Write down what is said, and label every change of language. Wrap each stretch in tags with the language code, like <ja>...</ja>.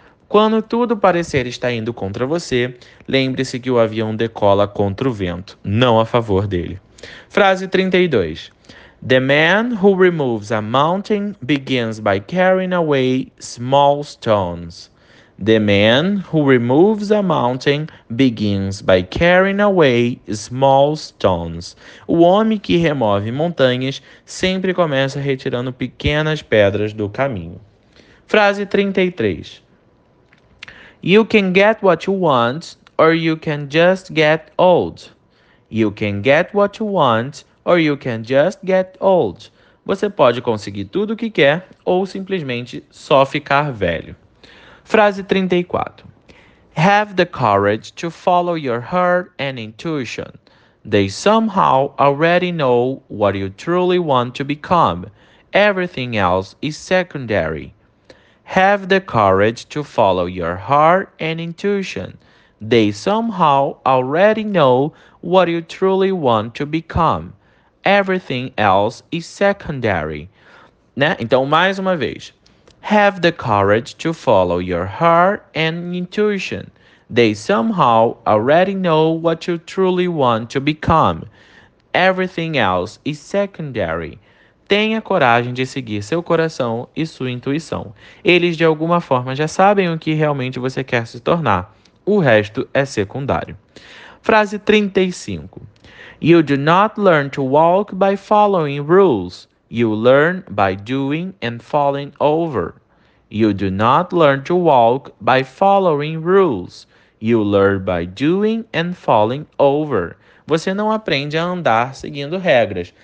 <pt>Quando tudo parecer estar indo contra você, lembre-se que o avião decola contra o vento, não a favor dele. Frase 32.</pt> <en>The man who removes a mountain begins by carrying away small stones. The man who removes a mountain begins by carrying away small stones.</en> <pt>O homem que remove montanhas sempre começa retirando pequenas pedras do caminho. Frase 33.</pt> <en>You can get what you want or you can just get old. You can get what you want or you can just get old.</en> <pt>Você pode conseguir tudo o que quer ou simplesmente só ficar velho. Frase 34.</pt> <en>Have the courage to follow your heart and intuition. They somehow already know what you truly want to become. Everything else is secondary. Have the courage to follow your heart and intuition. They somehow already know what you truly want to become. Everything else is secondary.</en> <pt>Né? Então, mais uma vez.</pt> <en>Have the courage to follow your heart and intuition. They somehow already know what you truly want to become. Everything else is secondary.</en> <pt>Tenha coragem de seguir seu coração e sua intuição. Eles, de alguma forma, já sabem o que realmente você quer se tornar. O resto é secundário. Frase 35.</pt> <en>You do not learn to walk by following rules. You learn by doing and falling over. You do not learn to walk by following rules. You learn by doing and falling over.</en> <pt>Você não aprende a andar seguindo regras.</pt>